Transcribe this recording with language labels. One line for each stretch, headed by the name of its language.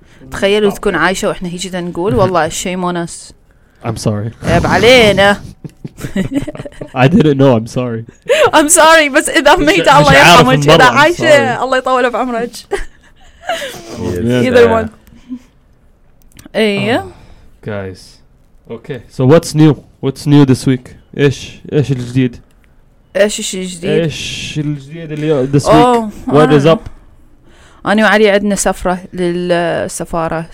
Arabic: تخيلوا تكون عايشة وإحنا هيك جدا نقول والله
English: shame on us I'm sorry
Arabic: عيب علينا
English: I didn't know I'm sorry I'm sorry
Arabic: بس إذا ميت الله يرحمك إذا عايشة الله يطول في عمرك
English: either one
Arabic: إيه
English: guys okay so what's new this week
Arabic: إيش الجديد إيش الجديد
English: this week what is up
Arabic: أنا وعلي عندنا سفرة للسفارة.